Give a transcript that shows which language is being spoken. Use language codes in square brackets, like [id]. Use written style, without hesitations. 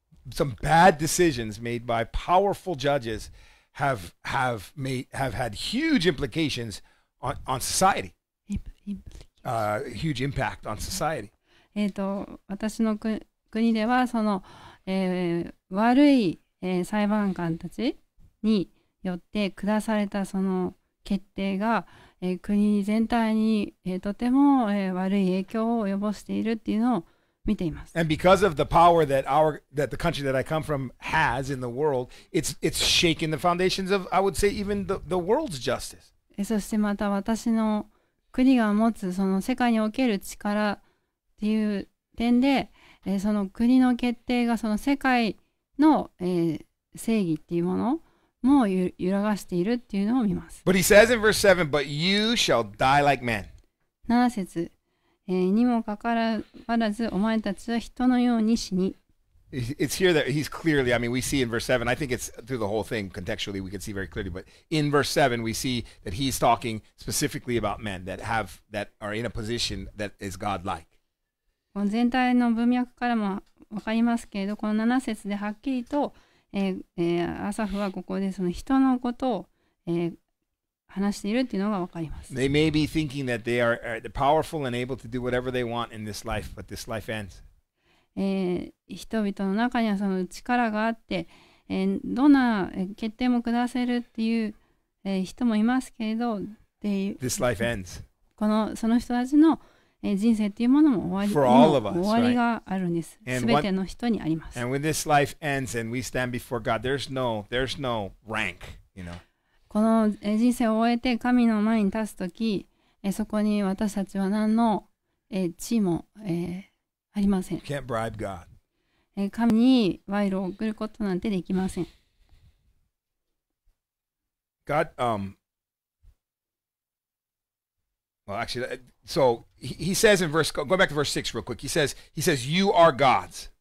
[en] Some bad decisions made by powerful judges have had huge implications on society. Huge impact on society. [ja] 私の国ではその、悪い、裁判官たちによって下されたその決定が、国全体に、とても、悪い影響を及ぼしているっていうのを見ています。 [en] And because of the power that the country that I come from has in the world, it's shaking the foundations of, I would say, even the world's justice. [ja] そしてまた私の国が持つその世界における力っていう点で、その国の決定がその世界の、正義っていうものも揺らがしているっていうのを見ます。 [en] But he says in verse 7, but you shall die like men. [ja] 7節。にもかかわらず、お前たちは人のように死に。 [en] It's here that he's clearly, I mean, we see in verse 7, I think it's through the whole thing, contextually, we can see very clearly, but in verse 7, we see that he's talking specifically about men that are in a position that is godlike. [ja] 全体の文脈からもわかりますけれど、この7節ではっきりと、アサフはここでその人のことを、話しているっていうのがわかります。 [en] They may be thinking that they are powerful and able to do whatever they want in this life, but this life ends. [ja] 人々の中にはその力があって、どんな決定も下せるっていう、人もいますけれど、 [en] This life ends. [ja] このその人たちの、人生っていうものも終わり、 [en] For all of us, [ja] 終わりがあるんです。 [en] Right? [ja] 全ての人にあります。 [en] And when this life ends and we stand before God, there's no rank, you know. [ja] この人生を終えて神の前に立つとき、そこに私たちは何の地位も、ありません。 [en] You can't bribe God. [ja] 神に賄賂を送ることなんてできません。 [en] God, well, actually, so he says in verse, going back to verse 6 real quick, he says, you are gods.